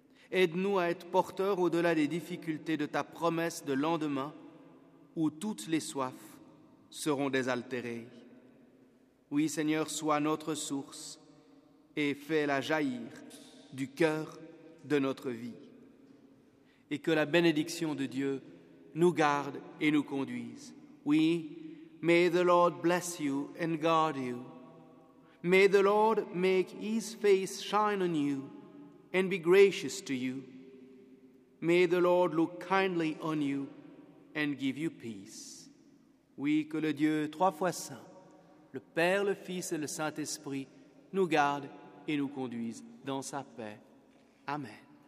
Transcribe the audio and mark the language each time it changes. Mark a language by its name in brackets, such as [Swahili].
[French] Aide-nous à être porteurs au-delà des difficultés de ta promesse de lendemain où toutes les soifs seront désaltérées. Oui, Seigneur, sois notre source et fais-la jaillir du cœur de notre vie. Et que la bénédiction de Dieu nous garde et nous conduise. [English] Oui, may the Lord bless you and guard you. May the Lord make his face shine on you and be gracious to you. May the Lord look kindly on you and give you peace. [French] Oui, que le Dieu trois fois saint, le Père, le Fils et le Saint-Esprit, nous garde et nous conduise dans sa paix. Amen.